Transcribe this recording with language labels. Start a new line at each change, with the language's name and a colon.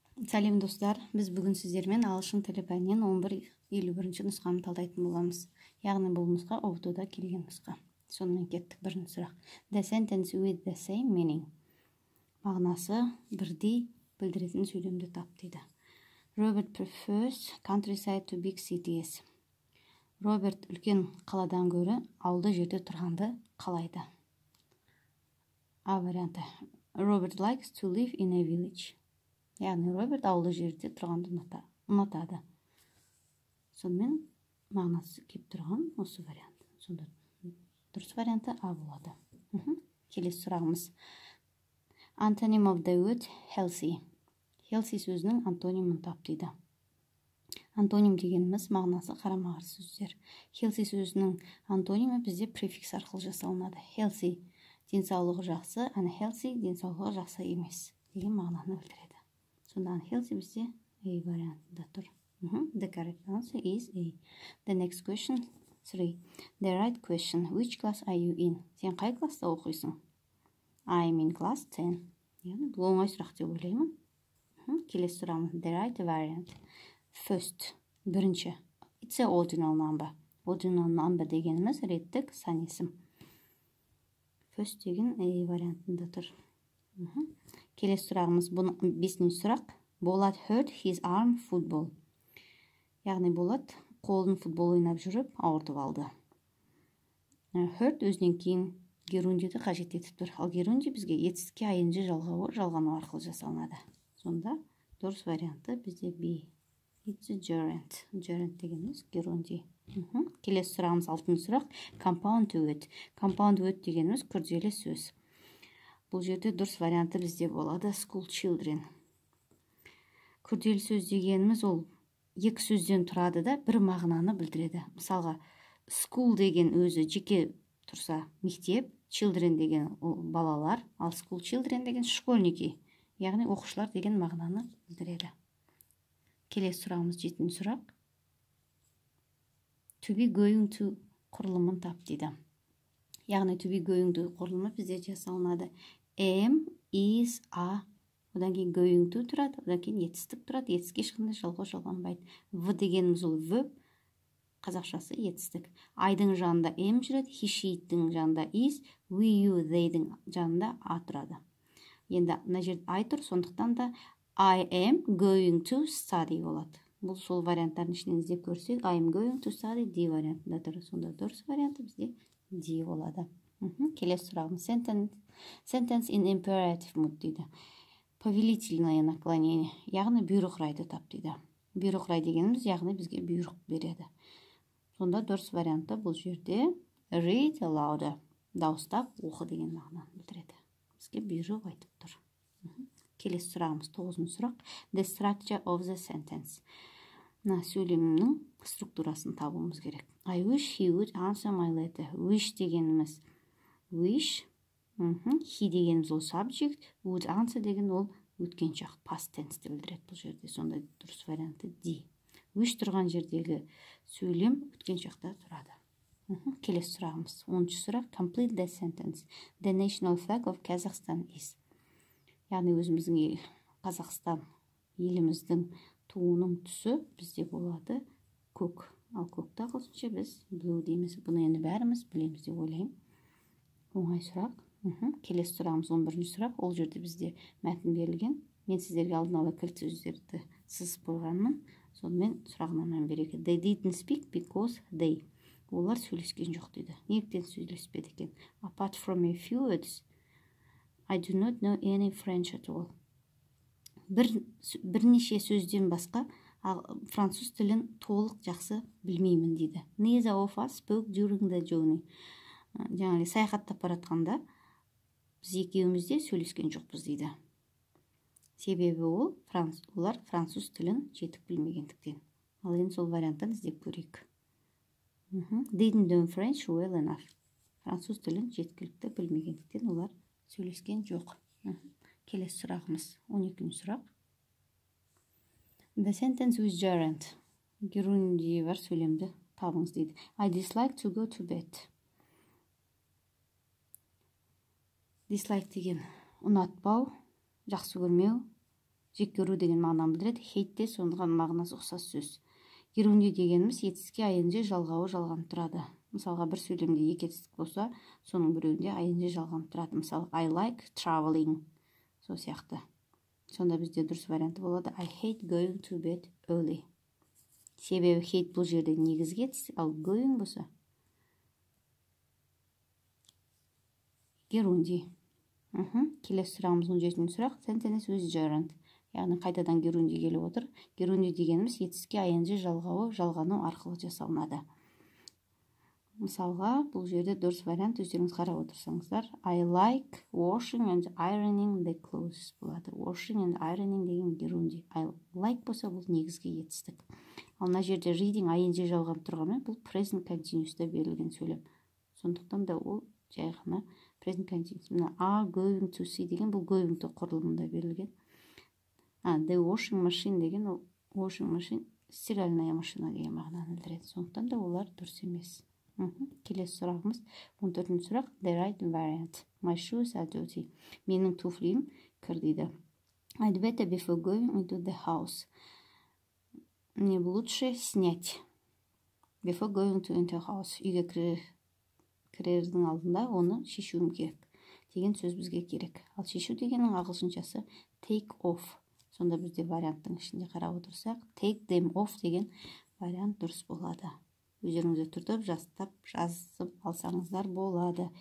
Kazakh: Сәлем достар, біз бүгін сіздермен ағылшын тілі пәнінен 11-51 нұсқаны талдайтын боламыз. Яғни бұл нұсқа оқытуда келген нұсқа. Сонымен кеттік бірінші сұрақ.
English: The sentence with the same meaning.
Kazakh: Мағынасы бірдей білдіретін сөйлемді тап дейді.
English: Robert prefers countryside to big cities.
Kazakh: Robert үлкен қаладан гөрі ауылды жерде тұрғанды қалайды. А варианты.
English: Robert likes to live in a village.
Kazakh: Яғни Роберт ауылы жерде тұрғанды ұнатады. Сонымен мағынасы кеп тұрған осы вариант. Сонда дұрыс варианты А болады. Келесі сұрағымыз.
English: Antonym of the word healthy.
Kazakh: Healthy сөзінің антонимін тап дейді. Антоним дегеніміз мағынасы қарама-қарсы сөздер. Healthy сөзінің антонимі бізде префикс арқылы жасалынады. Healthy – денсаулығы жақсы, unhealthy – денсаулығы жақсы емес деген мағынаны білдіреді. Сонда healthy бізде A вариантында тұр.
English: The correct answer is A. The next question 3. The right question. Which class are you in?
Kazakh: Сен қай класта оқисың?
English: I'm in class 10.
Kazakh: Яғни бұл оңай сұрақ деп ойлаймын. Келесі сұрағымыз.
English: The right variant. First.
Kazakh: Бірінші.
English: It's a ordinal number. Ordinal number
Kazakh: дегеніміз реттік сан есім. First деген A вариантында тұр. Келесі сұрағымыз, бесінші сұрақ.
English: Болат hurt his arm football.
Kazakh: Яғни Болат қолын футбол ойнап жүріп ауыртып алды. Hurt өзінен кейін герундиді қажет етіп тұр. Ал герунди бізге етістікке айынжы жалғауы жалғану арқылы жасалынады. Сонда дұрыс варианты бізде B.
English: It's a gerund.
Kazakh: Gerund дегеніміз герунди. Келесі сұрағымыз, алтыншы сұрақ.
English: Compound word.
Kazakh: Compound word дегеніміз күрделі сөз. Бұл жерде дұрыс варианты бізде болады.
English: School children.
Kazakh: Күрделі сөз дегеніміз ол екі сөзден тұрады да бір мағынаны білдіреді. Мысалға, school деген өзі жеке тұрса мектеп, children деген ол балалар, ал school children деген школьники, яғни оқушылар деген мағынаны білдіреді. Келесі сұрағымыз жетінші сұрақ. To be going to құрылымын тап дейді. Яғни to be going to құрылымы бізде жасалынады.
English: Am, is, are.
Kazakh: Одан кейін going to тұрады, одан кейін етістік тұрады. Етістікке ешқандай жалғау жалғанбайды. V дегеніміз ол V, қазақшасы етістік. I-дың жанында am жүреді, he, she-дің жанында is, we, you, they-дің жанында а тұрады. Енді мына жерде I тұр, сондықтан да
English: I am going to study
Kazakh: болады. Бұл сол варианттардың ішінен іздеп көрсек,
English: I am going to study
Kazakh: D вариантында тұр. Сонда дұрыс варианты бізде D болады. Келесі сұрағымыз.
English: Sentence in imperative mood дейді.
Russian: Повелительное наклонение.
Kazakh: Яғни бұйрық райды тап дейді. Бұйрық рай дегеніміз яғни бізге бұйрық береді. Сонда дұрыс варианты бұл жерде
English: read aloud.
Kazakh: Дауыстап оқы деген мағынаны білдіреді. Бізге бұйрық айтып тұр. Келесі сұрағымыз. Тоғызыншы сұрақ.
English: The structure of the sentence.
Kazakh: На сөйлемнің структурасын табуымыз керек.
English: I wish he would answer my letter.
Kazakh: Wish дегеніміз.
English: Wish.
Kazakh: He дегеніміз ол subject.
English: Would answer
Kazakh: деген ол өткен шақ. Past tense деп білдіреді бұл жерде. Сонда дұрыс варианты D. Wish тұрған жердегі сөйлем өткен шақта тұрады. Келесі сұрағымыз. Оныншы сұрақ.
English: Complete the sentence. The national flag of Kazakhstan is.
Kazakh: Яғни өзіміздің ел, Қазақстан еліміздің туының түсі бізде болады көк. Ал көкті қосынша біз blue дейміз. Бұны енді бәріміз білеміз деп ойлаймын. Оңай сұрақ. Келесі сұрағымыз 11-ші сұрақ. Ол жерде бізде мәтін берілген. Мен сіздерге алдын ала кілт сөздерді сызып қойғанмын. Сонымен сұрағынан береке.
English: They didn't speak because they.
Kazakh: Олар сөйлескен жоқ дейді. Неліктен сөйлеспеді екен?
English: Apart from a few words, I do not know any French at all.
Kazakh: Бірнеше сөзден басқа француз тілін толық жақсы білмеймін дейді.
English: Neither of us spoke during the journey.
Kazakh: Яғни саяхатта баратқанда біз екеуімізде сөйлескен жоқпыз дейді. Себебі ол олар француз тілін жетік білмегендіктен. Ал енді сол варианттан іздеп көрейік.
English: Didn't know French well enough.
Kazakh: Француз тілін жеткілікті білмегендіктен олар сөйлескен жоқ. Келесі сұрағымыз. 12-ші сұрақ.
English: The sentence with gerund.
Kazakh: Герунди бар сөйлемді табыңыз дейді.
English: I dislike to go to bed.
Kazakh: Dislike деген ұнатпау, жақсы көрмеу, жек көру деген мағынаны білдіреді. Hate де соған мағынасы ұқсас сөз. Ерунде дегеніміз етістікке айынжи жалғауы жалған тұрады. Мысалға бір сөйлемде екі етістік болса, соның біреуінде айынжи жалған тұрады. Мысалға
English: I like traveling.
Kazakh: Сол сияқты. Сонда бізде дұрыс варианты болады.
English: I hate going to bed early.
Kazakh: Себебі hate бұл жерде негізгі етістік, ал going болса. Ерунде. Келесі сұрағымыздың жетінші сұрақ.
English: Sentence with gerund.
Kazakh: Яғни қайтадан герунди келіп отыр. Герунди дегеніміз етіске айынжи жалғауы жалғану арқылы жасалынады. Мысалға, бұл жерде дұрыс вариант өздеріңіз қарап отырсаңыздар.
English: I like washing and ironing the clothes.
Kazakh: Болады.
English: Washing and ironing
Kazakh: деген герунди. I like болса бұл негізгі етістік. Ал мына жерде reading айынжи жалғанып тұрғанмен бұл present continuous-та берілген сөйлем. Сондықтан да ол жай ғана present continuous. Мына
English: are going to see
Kazakh: деген бұл going to құрылымында берілген.
English: The washing machine
Kazakh: деген washing machine
Russian: стиральная машина
Kazakh: деген мағынаны білдіреді. Сондықтан да олар дұрыс емес. Келесі сұрағымыз 14-ші сұрақ.
English: The right variant. My shoes are dirty.
Kazakh: Менің туфлиім кір дейді.
English: I'd better before going into the house.
Russian: Мне лучше снять.
English: Before going to enter house.
Kazakh: Үйге кірердің алдында оны шешуім керек. Деген сөз бізге керек. Ал шешу дегеннің ағылшыншасы
English: take off.
Kazakh: Сонда бізде варианттың ішінде қарап отырсақ,
English: take them off
Kazakh: деген вариант дұрыс болады. Өздеріңізді тұрдып, жастап, жазып алсаңыздар болады.